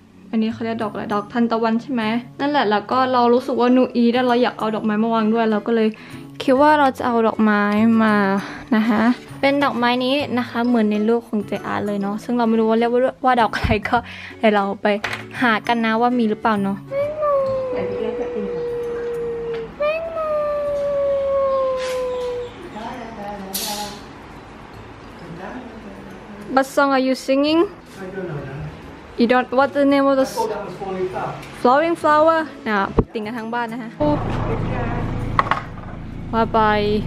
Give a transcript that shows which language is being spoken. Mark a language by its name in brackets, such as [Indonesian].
[Thai] อันนี้เขาเรียกดอกอะไรดอกทานตะวันใช่ไหมนั่นแหละแล้วก็เรารู้สึกว่าหนูอีได้เราอยากเอาดอกไม้มาวางด้วยเราก็เลยคิดว่าเราจะเอาดอกไม้มานะคะเป็นดอกไม้นี้นะคะเหมือนในรูปของเจอาร์เลยเนาะซึ่งเราไม่รู้ว่าเรียกว่าดอกอะไรก็ให้เราไปหากันนะว่ามีหรือเปล่าเนาะ [English] What song are you singing? I don't know. You don't. What's the name of the flowing flower? [Thai] นะปกติกันทั้งบ้านนะฮะ [English] Bye bye.